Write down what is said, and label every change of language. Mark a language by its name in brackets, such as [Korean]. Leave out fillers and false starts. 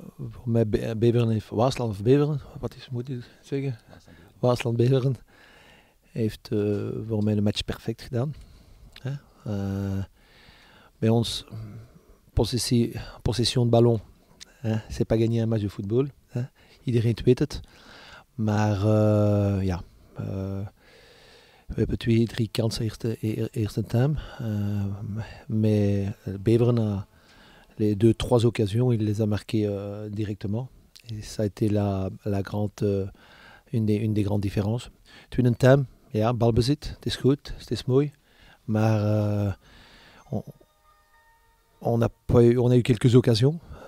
[Dutch] Voor mij Beveren heeft Waasland of Beveren, moet ik zeggen? Waasland-Beveren. Heeft voor mij de match perfect gedaan. Bij ons, [French] position ballon, c'est pas gagné un match de football. [Dutch] Iedereen weet het. Maar we hebben 2-3 kansen eerste time. [French] Maar Beveren, les 2-3 occasions, il les a marquées directement. Et ça a été une des grandes différences. [Dutch] Tweede time. Ja, balbezit, het is goed, het is mooi, maar [French] on a eu quelques occasions.